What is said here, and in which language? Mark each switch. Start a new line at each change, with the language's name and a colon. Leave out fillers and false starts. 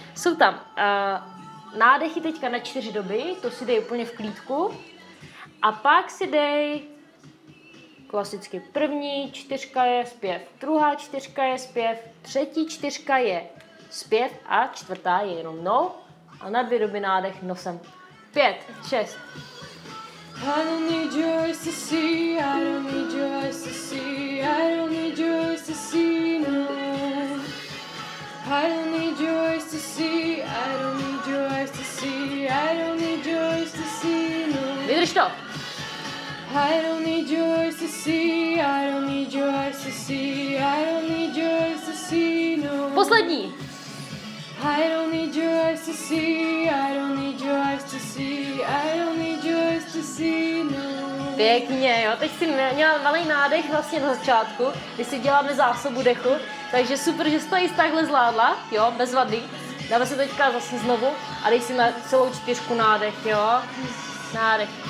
Czech: Jsou tam nádechy teďka na čtyři doby, to si dej úplně v klídku, a pak si dej klasicky první čtyřka je zpěv, druhá čtyřka je zpěv, třetí čtyřka je zpěv a čtvrtá je jenom no. A na dvě doby nádech nosem. Pět, šest.
English: I don't need your eyes to see, I don't need your eyes to see, I don't need your eyes to see, no. I don't need your eyes to see, I don't need your eyes to see, I don't need your eyes to see, no.
Czech: Vydrž to!
English: I don't need your eyes to see, I don't need your eyes to see, I don't need your eyes to see, no.
Czech: Poslední.
English: I don't need your eyes to see, I don't need your eyes to see, I don't need your eyes to see, no.
Czech: Pěkně, jo, teď jsi měla malý nádech vlastně na začátku, když si děláme zásobu dechu, takže super, že jsi to i takhle zvládla, jo, bez vady. Dáme se teďka zase znovu a dej si na celou čtyřku nádech, jo, nádech.